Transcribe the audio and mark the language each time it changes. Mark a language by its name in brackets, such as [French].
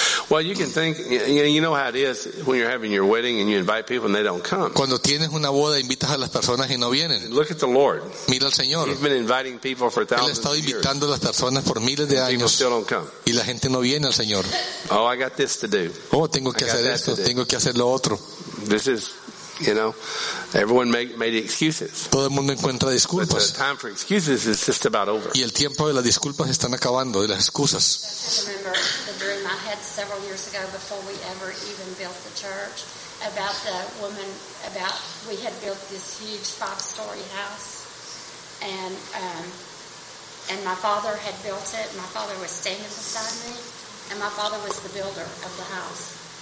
[English] Well, you can think, you know how it is when you're having your wedding and you invite people and they don't come. [Spanish] Cuando tienes una boda, invitas a las personas y no vienen. [English] Look at the Lord. [Spanish] Mira al Señor. [English] He's been inviting people for thousands of years. [Spanish] Él ha estado invitando a las personas por miles de años. [English] People still don't come. [Spanish] Y la gente no viene al Señor. [English] Oh, I got this to do. [Spanish] Oh, tengo que hacer esto. Tengo que hacer lo otro. [English] This is. You know, everyone made excuses. [Spanish] Todo el mundo encuentra disculpas. [English] But the time for excuses is just about over. [Spanish] Y el tiempo de las disculpas están acabando, de las excusas. [English] I remember the dream I had several years ago before we ever even built the church about the woman, about we had built this huge 5-story house and my father had built it. My father was standing beside me and my father was the builder of the house.